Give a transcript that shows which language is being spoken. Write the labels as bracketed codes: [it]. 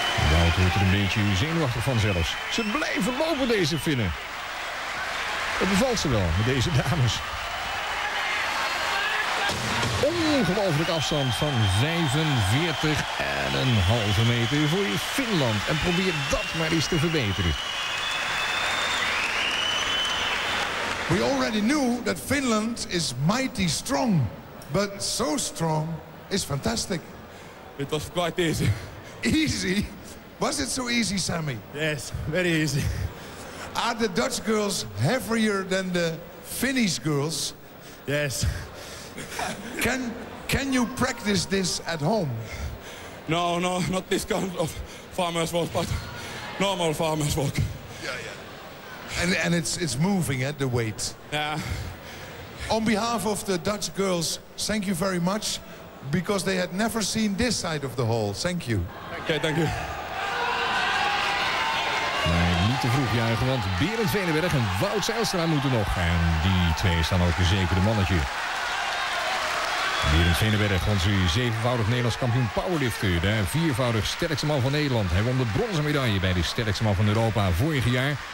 [nl] Wout wordt er een beetje zenuwachtig van zelfs. Ze blijven lopen, deze Finnen. Het bevalt ze wel met deze dames. Ongelooflijk afstand van 45,5 meter voor Finland. En probeer dat maar eens te verbeteren. [en] We already knew that Finland is mighty strong. But so strong is fantastic. It was quite easy. Easy? Was it so easy, Sammy? Yes, very easy. Are the Dutch girls heavier than the Finnish girls? Yes. Can you practice this at home? No, no, not this kind of farmer's walk, but normal farmer's walk. Yeah, yeah. And it's moving at the weight. Yeah. On behalf of the Dutch girls, thank you very much, because they had never seen this side of the hall. Thank you. Okay, thank you. [nl] Nee, niet te vroeg juichen, want Berend Veenenberg en Wout Zijlstra moeten nog. En die twee staan ook zeker de mannetje. Berend Veenenberg, onze zevenvoudig Nederlands kampioen powerlifter. De viervoudig sterkste man van Nederland. Hij won de bronzen medaille bij de sterkste man van Europa vorig jaar.